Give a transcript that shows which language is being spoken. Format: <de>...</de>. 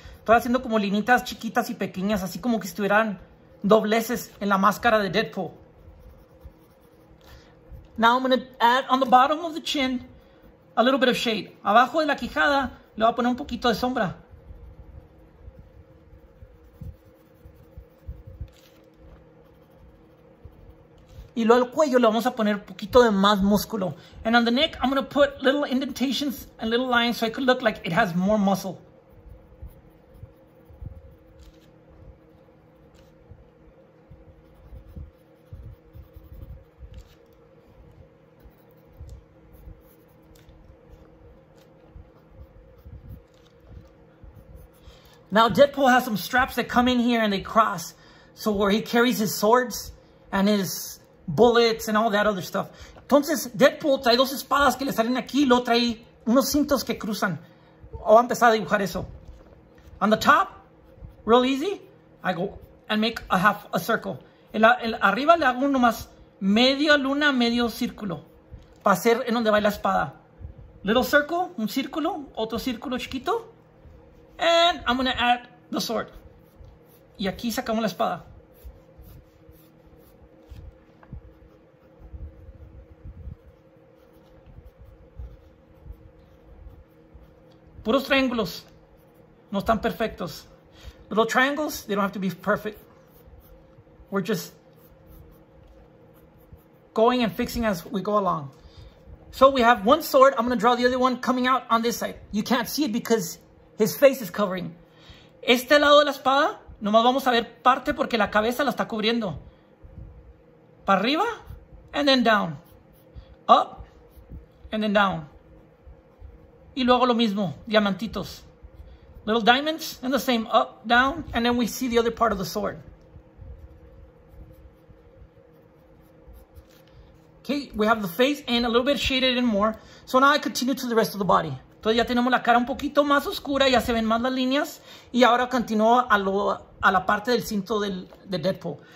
<es>Estoy haciendo como linitas chiquitas y pequeñas, así como que estuvieran dobleces en la máscara de Deadpool.</es> <en>Now I'm going to add on the bottom of the chin a little bit of shade.</en> <es>Abajo de la quijada le voy a poner un poquito de sombra. Y luego el cuello le vamos a poner un poquito de más músculo.</es> <en>And on the neck, I'm going to put little indentations and little lines so it could look like it has more muscle. Now, Deadpool has some straps that come in here and they cross. So where he carries his swords and his bullets and all that other stuff.</en> <es>Entonces, Deadpool trae dos espadas que le salen aquí y luego trae unos cintos que cruzan. O va a empezar a dibujar eso.</es> <en>On the top, real easy, I go and make a half a circle.</en> <es>El arriba le hago nomás media luna, medio círculo. Para hacer en donde va la espada.</es> <en>Little circle,</en> <es>un círculo, otro círculo chiquito.</es> <en>And I'm going to add the sword.</en> <es>Y aquí sacamos la espada. Puros triángulos, no están perfectos.</es> <en>Little triangles, they don't have to be perfect. We're just going and fixing as we go along. So we have one sword. I'm going to draw the other one coming out on this side. You can't see it because his face is covering.</en> <es>Este lado de la espada, nomás vamos a ver parte porque la cabeza la está cubriendo. Para arriba,</es> <en>and then down. Up, and then down.</en> <es>Y luego lo mismo, diamantitos.</es> <en>Little diamonds, and the same, up, down, and then we see the other part of the sword. Okay, we have the face and a little bit shaded in more. So now I continue to the rest of the body.</en> <es>Entonces ya tenemos la cara un poquito más oscura, ya se ven más las líneas. Y ahora continúo a la parte del cinto de Deadpool.</es>